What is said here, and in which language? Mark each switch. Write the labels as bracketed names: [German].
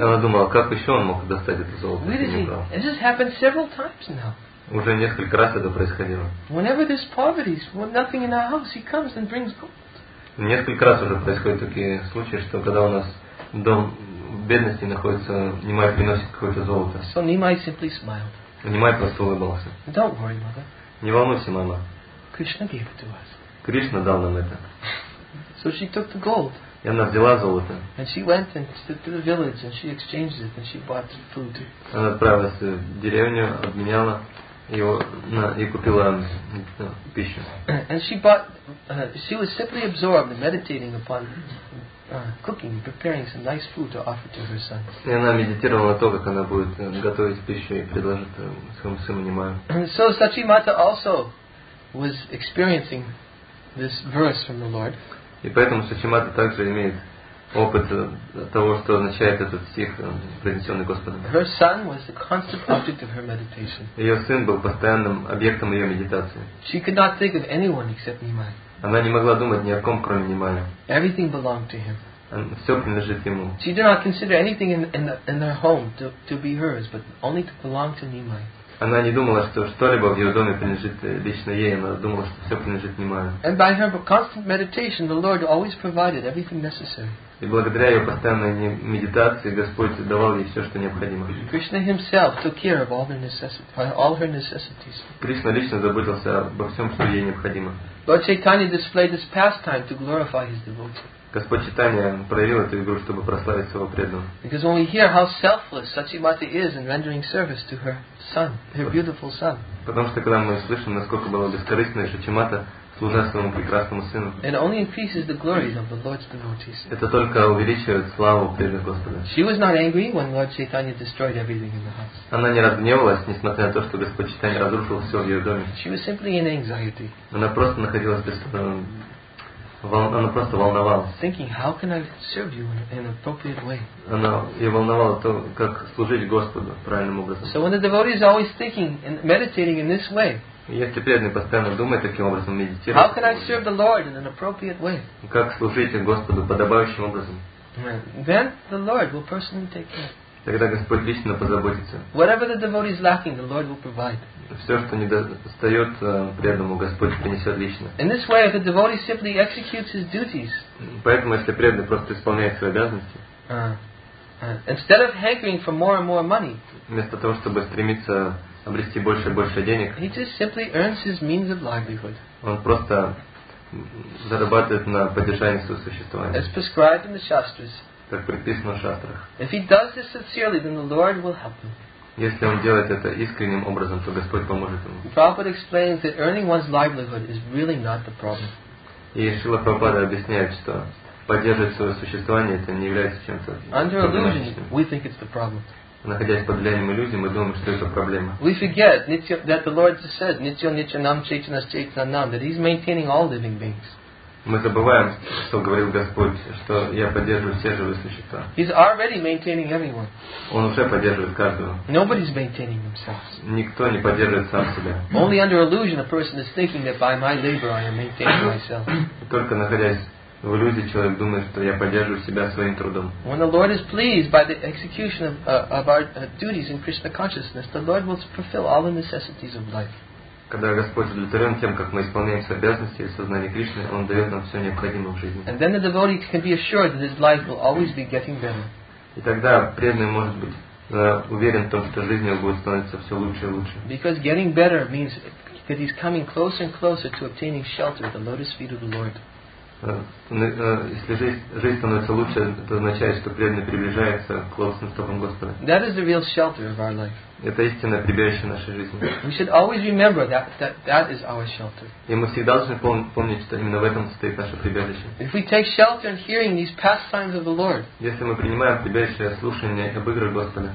[Russian] Она думала, как еще он мог достать это золото? [English] Where did he? This has happened several times now. [Russian] Уже несколько раз это происходило. [English] Whenever there's poverty, when nothing in our house, he comes and brings gold. [Russian] Несколько раз уже происходят такие случаи, что когда у нас дом в бедности находится, Немай приносит какое-то золото. [English] So Nimai simply smiled. [Russian] Немай просто улыбался. [English] Don't worry, mother. [Russian] Не волнуйся, мама. [English] Krishna gave it to us. [Russian] Кришна дал нам это. [English] So she took the gold. [Russian] И она взяла золото. [English] And she went into the village and she exchanged it and she bought food. [Russian] Она отправилась в деревню, обменяла его и купила пищу. [English] And she bought. She was simply absorbed, meditating upon cooking, preparing some nice food to offer to her son. [Russian] И она медитировала на то, как она будет готовить пищу и предложить своему сыну Немаю. [English] So Сачимата also was experiencing this verse from the Lord. [Russian] И поэтому Сачимата также имеет опыт того, что означает этот стих, произнесенный Господом. [English] Her son was the constant object of her meditation. [Russian] Ее сын был постоянным объектом ее медитации. [English] She could not think of anyone except Немай. [Russian] Она не могла думать ни о ком, кроме Немая. [English] Everything belonged to him. [Russian] Все принадлежит ему. [English] She did not consider anything in their home to be hers, but only to belong to Nimai. [Russian] Она не думала, что что-либо в ее доме принадлежит лично ей, она думала, что все принадлежит Немаю. [English] And by her constant meditation, the Lord always provided everything necessary. [Russian] И благодаря ее постоянной медитации, Господь давал ей все, что необходимо. [English] Krishna himself took care of all her necessities. [Russian] Кришна лично заботился обо всем, что ей необходимо. [English] Lord Chaitanya displayed this pastime to glorify his devotee. [Russian] Господь Чайтанья проявил эту игру, чтобы прославить своего преданного. [English] Because when we hear how selfless Сачимати is in rendering service to her son, her beautiful son. [Russian] Потому что когда мы слышим, насколько была бескорыстная Сачимата, служа своему прекрасному сыну. [English] It only increases the glory of the Lord's devotees. [Russian] Это только увеличивает славу преданного Господа. [English] She was not angry when Lord Chaitanya destroyed everything in the house. [Russian] Она не разгневалась, несмотря на то, что Господь Чайтанья разрушил все в ее доме. [English] She was simply in anxiety. [Russian] Она просто находилась без Она просто волновалась. [English] Thinking, how can I serve you in an appropriate way? [Russian] Она ее волновала то, как служить Господу правильным образом. [English] So when the devotee is always thinking and meditating in this way, [Russian] если преданный постоянно думает таким образом, медитирует, [English] how can I serve the Lord in an appropriate way? [Russian] Как служить Господу подобающим образом? [English] Then the Lord will personally take care. [Russian] Тогда Господь лично позаботится. [English] Whatever the devotee is lacking, the Lord will provide. [Russian] Все, что недостает преданному, Господь принесет лично. [English] In this way, if the devotee simply executes his duties, [Russian] поэтому, если преданный просто исполняет свои обязанности, [English] instead of hankering for more and more money, [Russian] вместо того, чтобы стремиться обрести больше и больше денег, [English] he just simply earns his means of livelihood. [Russian] Он просто зарабатывает на поддержание своего существования. [English] As prescribed in the Shastras. [Russian] Как предписано в шастрах. [English] If he does this sincerely, then the Lord will help him. [Russian] Если он делает это искренним образом, то Господь поможет ему. [English] Prabhupada explains that earning one's livelihood is really not the problem. [Russian] И Шрила Прабхупада объясняет, что поддерживать свое существование это не является чем-то. [English] Under illusion, we think it's the problem. [Russian] Находясь под влиянием иллюзий, мы думаем, что это проблема. [English] We forget that the Lord says, [Sanskrit] "Nitya nitya nam chaitanas chaitanam nam," [English] that He's maintaining all living beings. [Russian] Мы забываем, что говорил Господь, что я поддерживаю все живые существа. [English] He's already maintaining everyone. [Russian] Он уже поддерживает каждого. [English] Nobody's maintaining themselves. [Russian] Никто не поддерживает сам себя. [English] Only under illusion a person is thinking that by my labor I am maintaining myself. [Russian] Только находясь в иллюзии, человек думает, что я поддерживаю себя своим трудом. [English] When the Lord is pleased by the execution of our duties in Krishna consciousness, the Lord will fulfill all the necessities of life. [Russian] Когда Господь удовлетворен тем, как мы исполняем свои обязанности и сознание Кришны, Он дает нам все необходимое в жизни. [English] And then the devotee can be assured that his life will always be getting better. [Russian] И тогда преданный может быть уверен в том, что жизнь его будет становиться все лучше и лучше. [English] Because getting better means that he's coming closer and closer to obtaining shelter at the lotus feet of the Lord. [Russian] если жизнь становится лучше, то означает, что преданный приближается к лотосным стопам Господа. [English] That is the real shelter of our life. [Russian] Это истинное прибежище нашей жизни. [English] We should always remember that is our shelter. [Russian] И мы всегда должны помнить, что именно в этом состоит наше прибежище. [English] If we take shelter in hearing these pastimes of the Lord. [Russian] Если мы принимаем прибежище слушания об играх Господа.